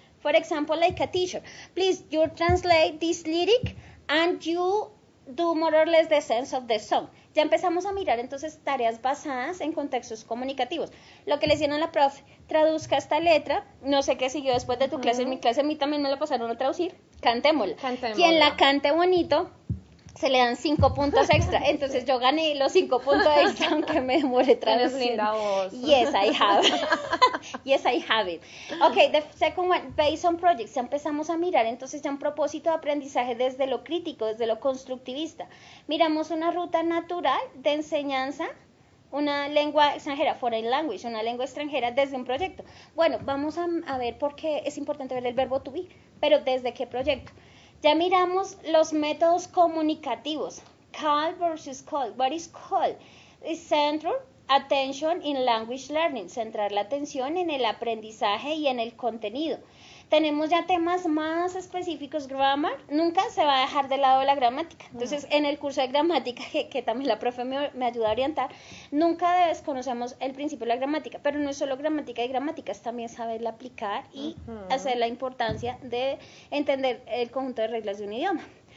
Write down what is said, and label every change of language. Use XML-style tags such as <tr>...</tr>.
<en>For example, like a teacher, please you translate this lyric and you do more or less the sense of the song.</en> <es>Ya empezamos a mirar entonces tareas basadas en contextos comunicativos. Lo que le hicieron a la profe, traduzca esta letra. No sé qué siguió después de tu clase, en mi clase a mí también me la pasaron a traducir. Cantémosla. Cantémosla. Quien la cante bonito, se le dan 5 puntos extra. Entonces yo gané los 5 puntos extra, aunque me demore traducir. Tienes linda voz.</es> <en>Yes, I have. Yes, I have it. Okay, the second one, based on projects.</en> <es>Ya empezamos a mirar entonces ya un propósito de aprendizaje desde lo crítico, desde lo constructivista. Miramos una ruta natural de enseñanza, una lengua extranjera,</es> <en>foreign language,</en> <es>una lengua extranjera desde un proyecto. Bueno, vamos a ver por qué es importante ver el verbo to be, pero ¿desde qué proyecto? Ya miramos los métodos comunicativos.</es> <en>Call versus call. What is call? It's central attention in language learning.</en> <es>Centrar la atención en el aprendizaje y en el contenido. Tenemos ya temas más específicos. Grammar. Nunca se va a dejar de lado la gramática. Entonces, en el curso de gramática, que también la profe me ayuda a orientar, nunca desconocemos el principio de la gramática. Pero no es solo gramática y gramática, es también saberla aplicar y hacer la importancia de entender el conjunto de reglas de un idioma.</es>